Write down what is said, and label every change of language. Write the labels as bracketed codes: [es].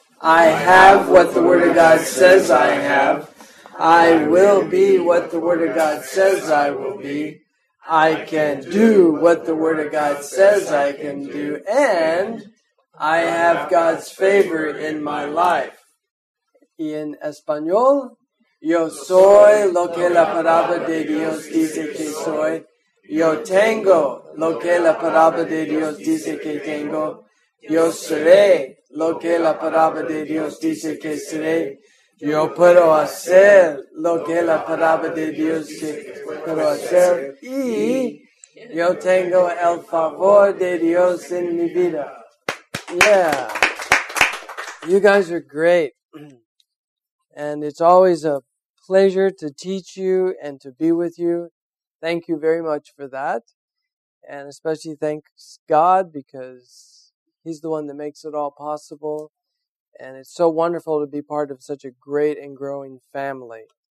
[en] I have what the Word of God says I have. I will be what the Word of God says I will be. I can do what the Word of God says I can do. And I have God's favor in my life. [es] Y en español, yo soy lo que la palabra de Dios dice que soy. Yo tengo lo que la palabra de Dios dice que tengo. Yo seré lo que la palabra de Dios dice que seré. Yo puedo hacer lo que la palabra de Dios dice que puedo hacer. Y yo tengo el favor de Dios en mi vida. [en] Yeah. You guys are great. And it's always a pleasure to teach you and to be with you. Thank you very much for that. And especially thanks God, because He's the one that makes it all possible. And it's so wonderful to be part of such a great and growing family.